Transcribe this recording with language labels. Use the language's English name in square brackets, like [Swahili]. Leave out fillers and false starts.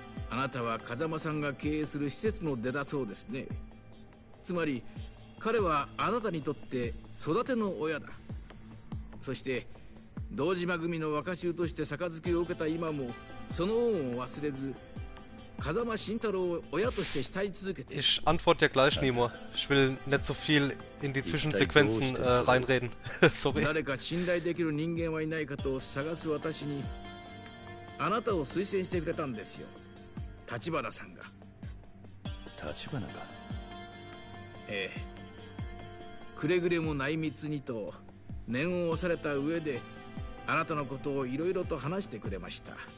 [Japanese] あなたは風間さんが経営する施設の出だそうですね。つまり彼はあなたにとって育ての親だ。そして堂島組の若衆として杯を受けた今もその恩を忘れず、風間慎太郎を親として慕い続けて。 [German] Ich antworte ja gleich, Nemo. Ich will nicht so viel in die Zwischensequenzen reinreden. Sorry. [Japanese] 誰か信頼できる人間はいないかと探す私に、あなたを推薦してくれたんですよ、立花さんが。立花が。ええ。くれぐれも内密にと念を押された上で、あなたのことをいろいろと話してくれました。